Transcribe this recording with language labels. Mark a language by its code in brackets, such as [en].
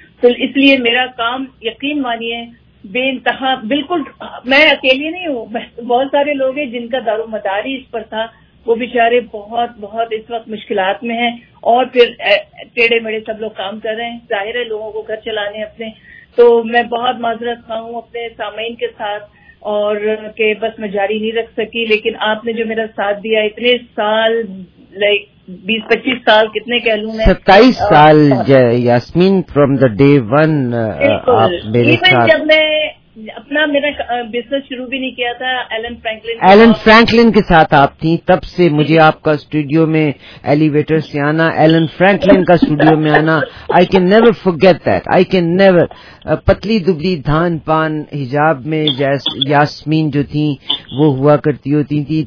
[ur] تو اس لیے میرا کام یقین مانیے بے انتہا, بالکل میں اکیلی نہیں ہوں, بہت سارے لوگ ہیں جن کا دار و مدار ہی اس پر تھا, وہ بےچارے بہت بہت اس وقت مشکلات میں ہیں, اور پھر ٹیڑھے میڑھے سب لوگ کام کر رہے ہیں, ظاہر ہے لوگوں کو گھر چلانے اپنے. تو میں بہت معذرت خواہ ہوں اپنے سامعین کے ساتھ اور کہ بس میں جاری نہیں رکھ سکی, لیکن آپ نے جو میرا ساتھ دیا اتنے سال, لائک 20-25 سال کتنے کہہ لوں, 27 سال Yasmin [en] from the day one [ur] آپ میرے ساتھ. جب میں اپنا میرا بزنس شروع بھی نہیں کیا تھا, ایلن فرینکلن کے ساتھ آپ تھی, تب سے مجھے آپ کا اسٹوڈیو میں ایلیویٹر سے آنا, ایلن فرینکلن کا اسٹوڈیو میں آنا, [en] I can never forget that. [ur] پتلی دبلی دھان پان حجاب میں یاسمین جو تھی وہ ہوا کرتی ہوتی تھی.